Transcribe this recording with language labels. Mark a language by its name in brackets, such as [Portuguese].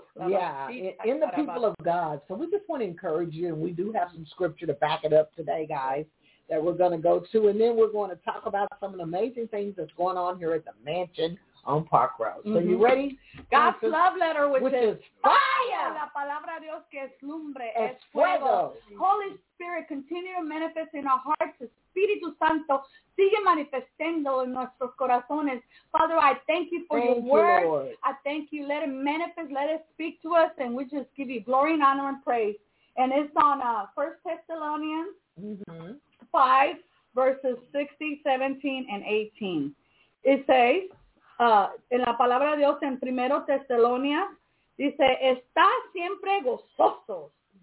[English] Yeah, in the people of God. So we just want to encourage you, and we do have some scripture to back it up today, guys, that we're going to go to. And then we're going to talk about some of the amazing things that's going on here at the mansion on Park Road. So you ready? God's love letter, which is fire. [Spanish] La palabra de Dios que es lumbre, es fuego. [English] Holy Spirit, continue to manifest in our hearts. [Spanish] Espíritu Santo, sigue manifestando en nuestros corazones. [English] Father, I thank you for your word. Lord. I thank you. Let it manifest. Let it speak to us. And we just give you glory and honor and praise. And it's on 1 Thessalonians 5:16-18. It says, [Spanish] en la palabra de Dios en Primero Tesalonias, dice, está siempre gozosos,